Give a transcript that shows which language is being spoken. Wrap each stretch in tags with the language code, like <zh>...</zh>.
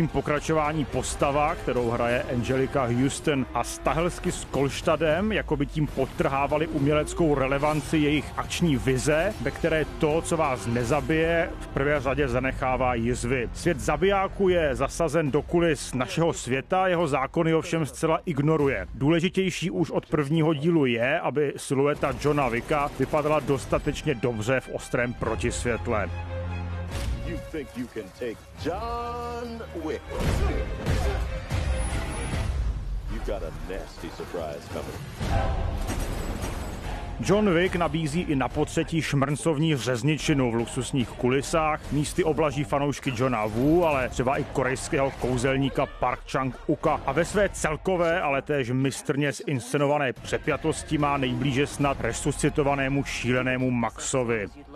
<cs>pokračování postava, kterou hraje Angelica Houston, a Stahelsky s Kolstadem, jako by tím podtrhávali uměleckou relevanci jejich akční vize, ve které to, co vás nezabije, v prvé řadě zanechává jizvy. Svět zabijáků je zasazen do kulis našeho světa, jeho zákony ovšem zcela ignoruje. Důležitější už od prvního dílu je, aby silueta Johna Wicka vypadala dostatečně dobře v ostrém protisvětle.</cs> <en>You think you can take John Wick? You got a nasty surprise coming.</en> <cs>John Wick nabízí i na potřetí šmrncovní řezničinu v luxusních kulisách. Místy oblaží fanoušky Johna Wu, ale třeba i korejského kouzelníka Park Chang-uka. A ve své celkové, ale též mistrně zinscenované přepjatosti má nejblíže snad resuscitovanému šílenému Maxovi.</cs>